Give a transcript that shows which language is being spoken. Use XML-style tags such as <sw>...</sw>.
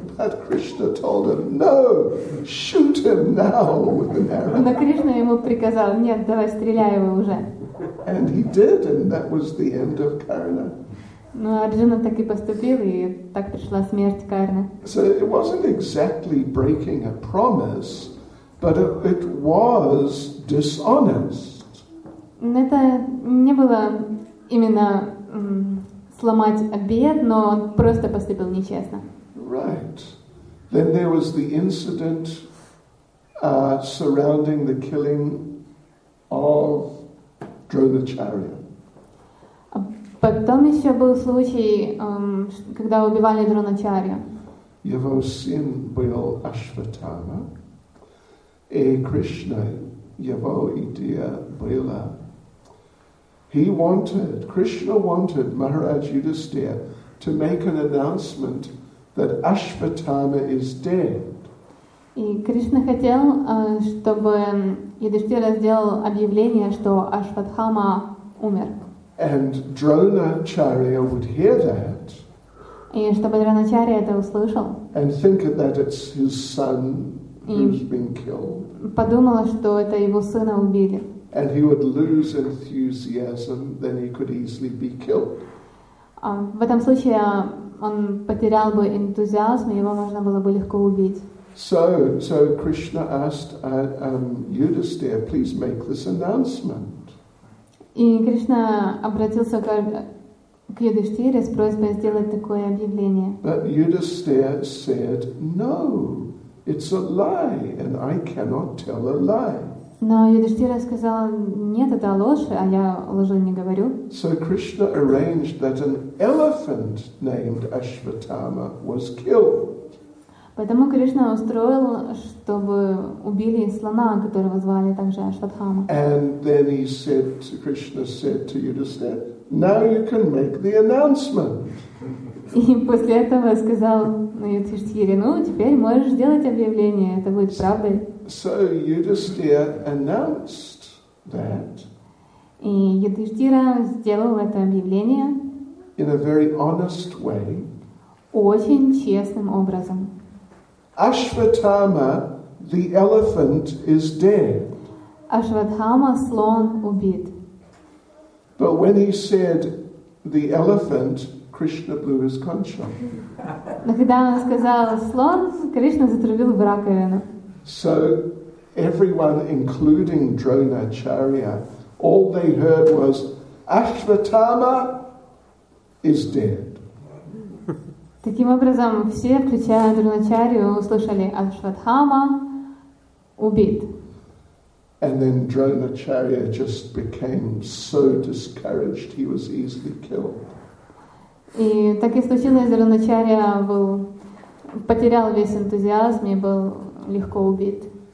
<en>But Krishna told him, no, shoot him now with an arrow.</en> <ru>Но Кришна ему приказал, нет, давай, стреляй его уже.</ru> <en>And he did, and that was the end of Karna.</en> <ru>Но Арджуна так и поступил, и так пришла смерть Карны.</ru> <en>So it wasn't exactly breaking a promise, but it was dishonest.</en> <ru>Но это не было именно сломать обет, но он просто поступил нечестно.</ru> <en>Right. Then there was the incident surrounding the killing of Dronacharya.</en> <ru>Потом еще был случай, когда убивали Дроначарью. Его сын был Ашватама, и Кришна, его идея была.</ru> <en>He wanted, Krishna wanted Maharaj Yudhisthira to make an announcement that Ashvatthama is dead.</en> <ru>И Кришна хотел, чтобы Юдиштхира сделал объявление, что Ашватхама умер.</ru> <en>And Dronacharya would hear that.</en> <ru>И чтобы Дроначарья это услышал.</ru> <en>And think that it's his son who's been killed.</en> <ru>Подумала, что это его сына убили.</ru> <en>And he would lose enthusiasm, then he could easily be killed.</en> <ru>В этом случае он потерял бы энтузиазм, и его можно было бы легко убить.</ru> <en>So Krishna asked Yudhisthira, please make this announcement.</en> <ru>И Кришна обратился к Юдиштхире с просьбой сделать такое объявление.</ru> <en>But Yudhisthira said, no, it's a lie, and I cannot tell a lie.</en> <ru>Но Юдиштхира сказал, нет, это ложь, а я лжи не говорю.</ru> <en>So Krishna arranged that an elephant named Ashvatthama was killed.</en> <ru>Поэтому Кришна устроил, чтобы убили слона, которого звали также Ашватхама.</ru> <en>And then he said, Krishna said to Yudhisthira, now you can make the announcement.</en> <ru>И после этого сказал Юдхиштхире, ну, теперь можешь сделать объявление, это будет правдой.</ru> <en>So Yudhisthira announced that.</en> <ru>И Юдхиштхира сделал это объявление.</ru> <en>In a very honest way.</en> <ru>Очень честным образом.</ru> <en>Ashvatthama, the elephant, is dead.</en> <ru>Ашватхама слон убит.</ru> <en>But when he said the elephant, Krishna blew his conch on.</en> <ru>Когда он сказал слон, Кришна затрубил в раковину.</ru> <en>So everyone, including Dronacharya, all they heard was Ashwatthama is dead.</en> <ru>Таким образом, все, включая Дроначарию, услышали Ашватхама убит.</ru> <en>And then Dronacharya just became so discouraged, he was easily killed.</en> <ru>И так и случилось, Дроначарья был потерял весь энтузиазм и был легко убит.</ru>